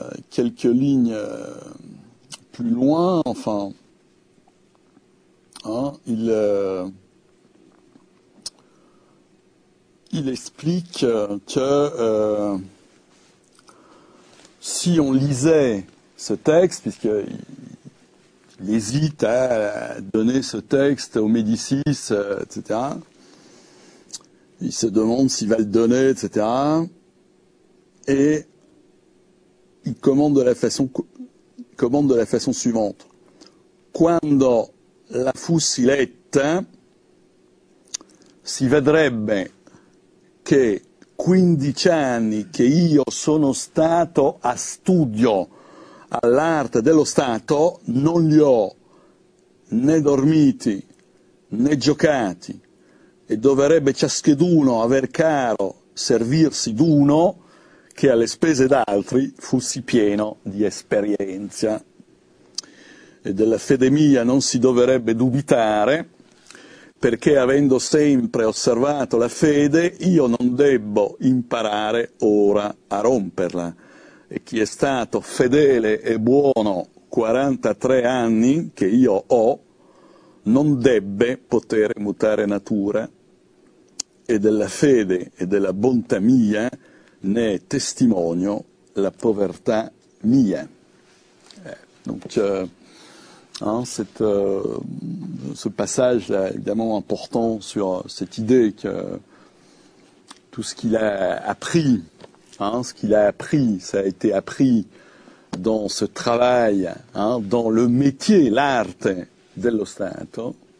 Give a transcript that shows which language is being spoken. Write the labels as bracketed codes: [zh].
[fr] Quelques lignes plus loin, enfin, hein, il explique que si on lisait ce texte, puisqu'il hésite à donner ce texte aux Médicis, etc., il se demande s'il va le donner, etc. Et il commande de la façon suivante. [it] Quando la fusse letta, si vedrebbe che 15 anni che io sono stato a studio all'arte dello Stato, non li ho né dormiti né giocati. E dovrebbe ciascheduno aver caro servirsi d'uno che alle spese d'altri fussi pieno di esperienza. E della fede mia non si dovrebbe dubitare, perché avendo sempre osservato la fede, io non debbo imparare ora a romperla. E chi è stato fedele e buono 43 anni che io ho, non debbe poter mutare natura. E della fede e della bontà mia ne è testimonio la povertà mia. [fr] Ce passage là, évidemment important sur cette idée que tout ce qu'il a appris, hein, ce qu'il a appris, ça a été appris dans ce travail, hein, dans le métier, [it] l'arte dello Stato.